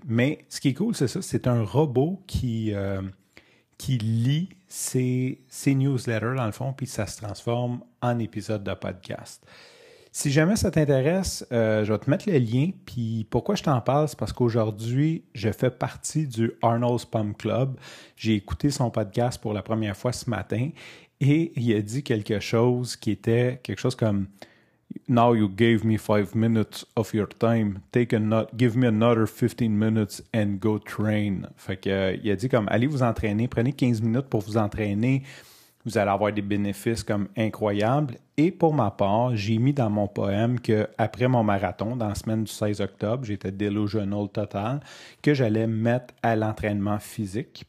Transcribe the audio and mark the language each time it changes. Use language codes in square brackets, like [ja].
[fr] Mais ce qui est cool, c'est ça, c'est un robot qui lit ses newsletters, dans le fond, puis ça se transforme en épisode de podcast. Si jamais ça t'intéresse, je vais te mettre le lien. Puis pourquoi je t'en parle, c'est parce qu'aujourd'hui, je fais partie du Arnold's Pump Club. J'ai écouté son podcast pour la première fois ce matin et il a dit quelque chose qui était quelque chose comme... [en] Now you gave me 5 minutes of your time. Give me another 15 minutes and go train. [fr] Fait que, il a dit comme, allez vous entraîner, prenez 15 minutes pour vous entraîner. Vous allez avoir des bénéfices comme incroyables. Et pour ma part, j'ai mis dans mon poème qu'après mon marathon, dans la semaine du 16 octobre, j'étais delusional total, que j'allais mettre à l'entraînement physique.